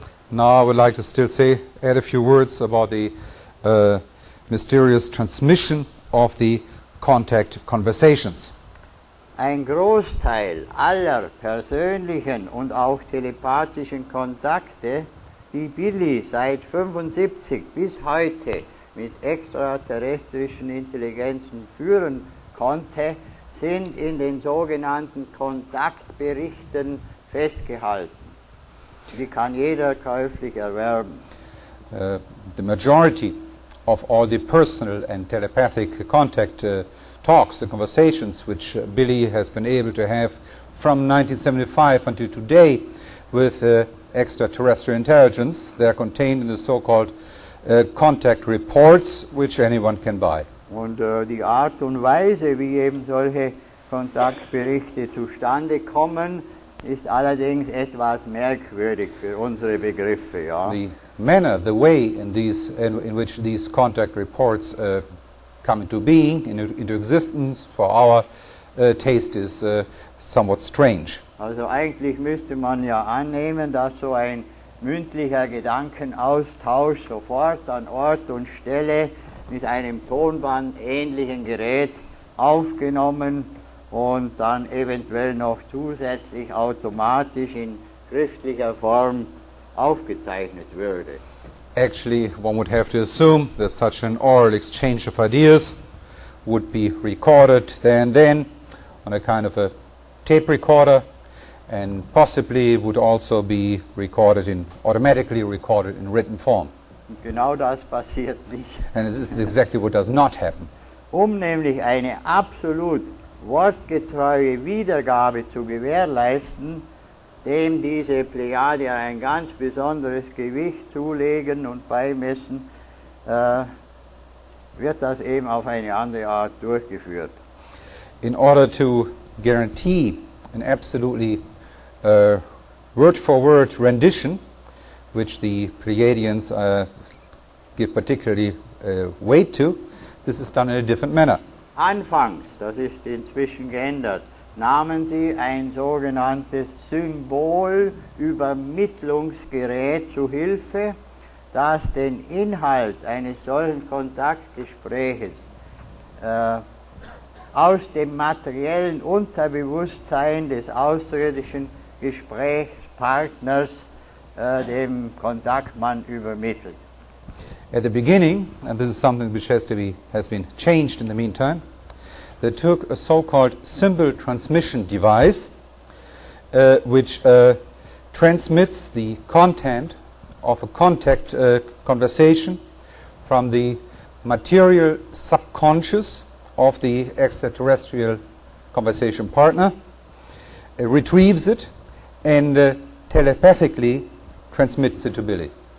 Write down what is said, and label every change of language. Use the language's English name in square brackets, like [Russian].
[English] Now I would like to still say, add a few words about the mysterious transmission of the contact conversations. [German] Ein Großteil aller persönlichen und auch telepathischen Kontakte, die Billy seit 75 bis heute mit extraterrestrischen Intelligenzen führen konnte, sind in den sogenannten Kontaktberichten festgehalten. Die kann jeder käuflich erwerben. [English] The majority of all the personal and telepathic contact talks, the conversations which Billy has been able to have from 1975 until today with extraterrestrial intelligence, they are contained in the so-called contact reports, which anyone can buy. [German] Und die Art und Weise, wie eben solche Kontaktberichte zustande kommen, ist allerdings etwas merkwürdig für unsere Begriffe. Ja. [English] The manner, the way in which these contact reports come into being, into existence, for our taste is somewhat strange. [German] Also eigentlich müsste man ja annehmen, dass so ein mündlicher Gedankenaustausch sofort an Ort und Stelle mit einem tonbandähnlichen Gerät aufgenommen und dann eventuell noch zusätzlich automatisch in schriftlicher Form aufgezeichnet würde. [English] Actually, one would have to assume that such an oral exchange of ideas would be recorded there and then on a kind of a tape recorder, and possibly would also be automatically recorded in written form. [German] Genau das passiert nicht. [English] And this is exactly what does not happen. [German] Um nämlich eine absolut wortgetreue Wiedergabe zu gewährleisten, dem diese Plejadier ein ganz besonderes Gewicht zulegen und beimessen, wird das eben auf eine andere Art durchgeführt. [English] In order to guarantee an absolutely word-for-word rendition, which the Plejadians give particularly weight to, this is done in a different manner. [German] Anfangs, das ist inzwischen geändert, nahmen sie ein sogenanntes Symbolübermittlungsgerät zu Hilfe, das den Inhalt eines solchen Kontaktgespräches aus dem materiellen Unterbewusstsein des außerirdischen Gesprächspartners dem Kontaktmann übermittelt. [English] At the beginning, and this is something which has been changed in the meantime, they took a so-called symbol transmission device, which transmits the content of a contact conversation from the material subconscious of the extraterrestrial conversation partner, retrieves it, and telepathically transmits it to Billy.